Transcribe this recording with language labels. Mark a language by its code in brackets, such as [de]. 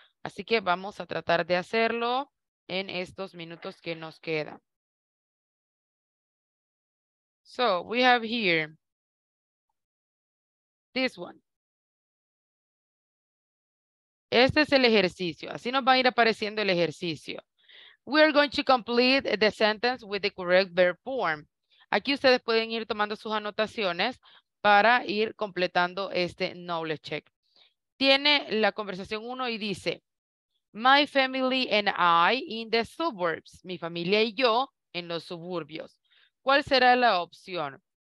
[es] Así que vamos a tratar de hacerlo en estos minutos que nos quedan. [en] So, we have here this one. [es] Este es el ejercicio. Así nos va a ir apareciendo el ejercicio. [en] We are going to complete the sentence with the correct verb form. [es] Aquí ustedes pueden ir tomando sus anotaciones para ir completando este knowledge check. Tiene la conversación 1 y dice, [en] my family and I in the suburbs. [es] Mi familia y yo en los suburbios. ¿Cuál será la opción?